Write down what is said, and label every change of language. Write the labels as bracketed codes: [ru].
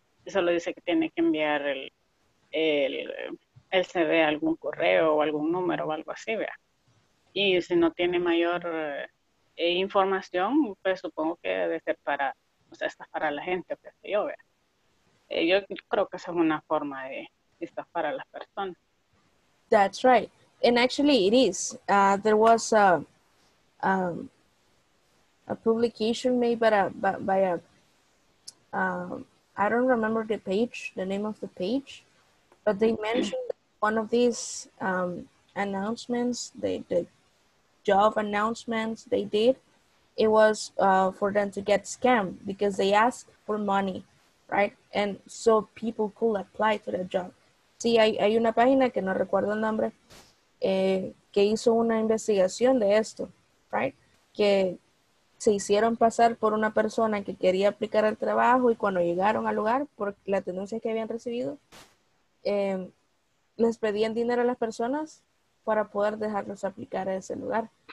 [es] Solo dice que tiene que enviar el CV a algún correo o algún número o algo así, ¿vea? Y si no tiene mayor información, pues supongo que debe ser para, o sea, estafar a la gente, pero yo, ¿vea? Yo creo que esa es una forma de estafar a las personas. [en] That's right. And actually it is. There was a publication made I don't remember the page, the name of the page, but they mentioned one of these announcements, the job announcements they did, it was for them to get scammed because they asked for money, right? And so people could apply to that job. [es] Sí, hay una página que no recuerdo el nombre, que hizo una investigación de esto, right? Que se hicieron pasar por una persona que quería aplicar al trabajo y cuando llegaron al lugar, por la tenencia que habían recibido, les pedían dinero a las personas para poder dejarlos aplicar a ese lugar.